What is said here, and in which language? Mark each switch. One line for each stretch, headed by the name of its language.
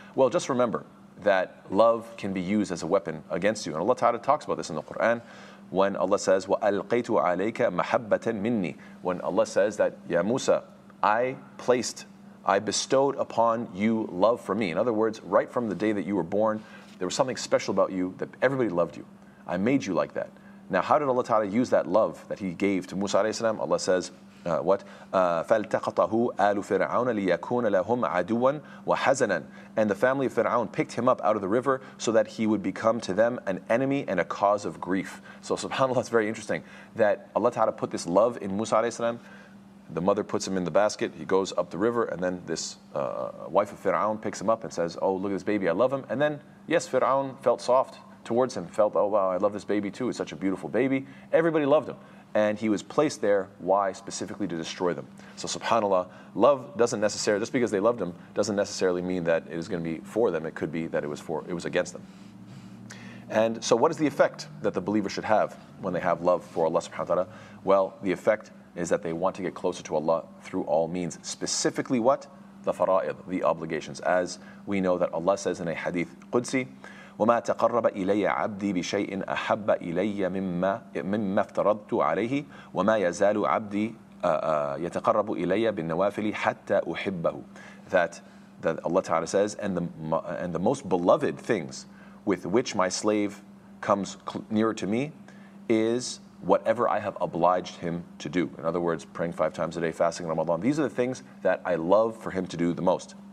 English: Well, just remember that love can be used as a weapon against you. And Allah Ta'ala talks about this in the Quran when Allah says,
Arabic: وَأَلْقَيْتُ عَلَيْكَ مَحَبَّةً مِنِّي.
English: When Allah says that, Ya Musa, I bestowed upon you love for me. In other words, right from the day that you were born, there was something special about you that everybody loved you. I made you like that. Now, how did Allah Ta'ala use that love that He gave to Musa alayhi salam?
Arabic: Allah says, فَالْتَقَطَهُ آلُ فِرْعَوْنَ لِيَكُونَ لَهُمْ عَدُوًا وَحَزَنًا.
English: And the family of Fir'aun picked him up out of the river so that he would become to them an enemy and a cause of grief. So subhanAllah, it's very interesting that Allah Ta'ala put this love in Musa alayhi salam. The mother puts him in the basket, he goes up the river, and then this wife of Fir'aun picks him up and says, oh, look at this baby, I love him. And then, yes, Fir'aun felt soft towards him, felt, oh wow, I love this baby too, it's such a beautiful baby. Everybody loved him. And he was placed there, why? Specifically to destroy them. So subhanAllah, love doesn't necessarily, just because they loved him, doesn't necessarily mean that it is going to be for them. It could be that it was against them. And so what is the effect that the believer should have when they have love for Allah subhanahu wa ta'ala? Well, the effect is that they want to get closer to Allah through all means. Specifically what? The fara'id, the obligations.
Arabic: As we know that Allah says in a hadith Qudsi, وَمَا تَقَرَّبَ إِلَيَّ عَبْدِي بِشَيْءٍ أَحَبَّ إِلَيَّ مِمَّا افْتَرَضْتُ عَلَيْهِ وَمَا يَزَالُ عَبْدِي يَتَقَرَّبُ إِلَيَّ بِالنَّوَافِلِ حَتَّى أُحِبَّهُ.
English: That Allah Ta'ala says, and the most beloved things with which my slave comes nearer to me is whatever I have obliged him to do. In other words, praying five times a day, fasting in Ramadan. These are the things that I love for him to do the most.